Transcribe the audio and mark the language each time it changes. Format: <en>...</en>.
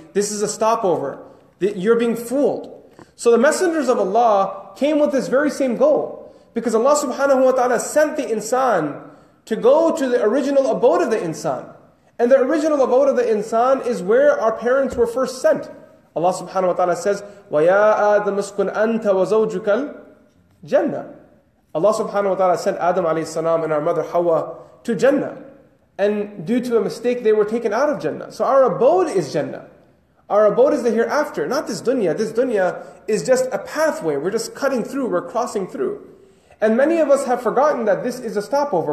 <en>This is a stopover. You're being fooled. So the messengers of Allah came with this very same goal. Because Allah subhanahu wa ta'ala sent the insan to go to the original abode of the insan. And the original abode of the insan is where our parents were first sent. Allah subhanahu wa ta'ala says,</en> <ar>وَيَا آدَمُ اسْكُنْ أَنْتَ وَزَوْجُكَ الْجَنَّةِ.</ar> <en>Allah subhanahu wa ta'ala sent Adam alayhi salam and our mother Hawa to Jannah. And due to a mistake, they were taken out of Jannah. So our abode is Jannah. Our abode is the hereafter, not this dunya. This dunya is just a pathway. We're just cutting through, we're crossing through. And many of us have forgotten that this is a stopover.</en>